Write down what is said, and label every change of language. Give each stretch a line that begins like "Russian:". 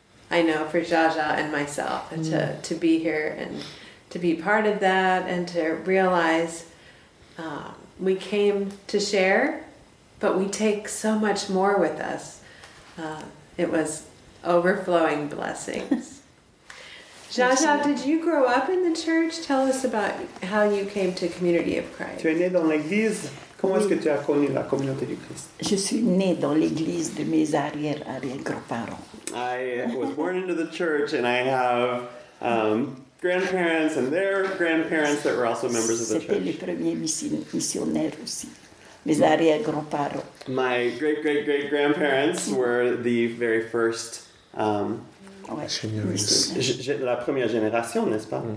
English: I know for Zsa Zsa and myself to be here and to be part of that and to realize we came to share, but we take so much more with us. It was overflowing blessings. Jaja, did you grow up in the church? Tell us about how you came to Community of Christ.
French: Tu es né dans l'église. Comment est-ce que tu as connu la communauté du Christ? Je suis né dans l'église de mes arrière-arrière-grands-parents.
English: I was born into the church and I have grandparents and their grandparents that were also members of the
French: C'était
English: church.
French: C'était les premiers missionnaires aussi. Mes arrière-grands-parents.
English: My great-great-great-grandparents were the very first
French: la première génération, n'est-ce pas?